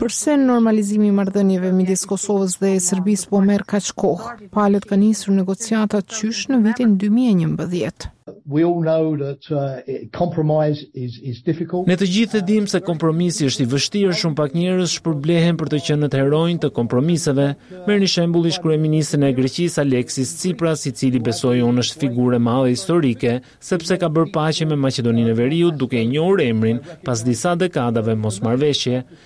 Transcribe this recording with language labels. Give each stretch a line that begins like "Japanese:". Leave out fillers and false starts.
Albanian: Përse normalizimi i marrëdhënieve midis Kosovës dhe Serbisë po merr kaq kohë? Palët kanë nisur negociata qysh në vitin 2011.
English: We all know that compromise is difficult.
Albanian: Ne të gjithë e dimë se kompromisi është i vështirë, shumë pak njerëz shpërblehen për të qenë të heronjë të kompromiseve. Merrni shembull ish kryeministin e Greqisë Alexis Tsipras, i cili besoi unë është figurë e madhe historike, sepse ka bërë paqe me Maqedoninë e Veriut duke e njohur emrin pas disa dekadave mosmarrveshje.